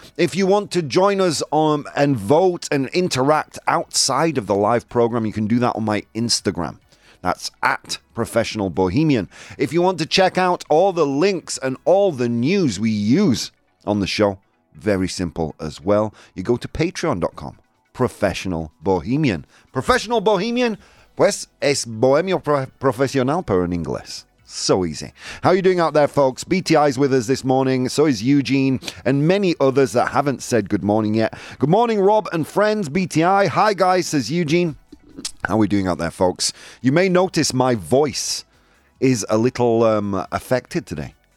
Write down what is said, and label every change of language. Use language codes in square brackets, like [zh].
[en] If you want to join us and vote and interact outside of the live program, you can do that on my Instagram. That's @professionalbohemian. If you want to check out all the links and all the news we use on the show, very simple as well, you go to patreon.com/professionalbohemian. [es] Professional Bohemian, pues es bohemio profesional, pero en inglés. [en] So easy. How are you doing out there, folks? BTI's with us this morning. So is Eugene and many others that haven't said good morning yet. Good morning, Rob and friends. BTI. Hi, guys, says Eugene. How are we doing out there, folks? You may notice my voice is a little affected today.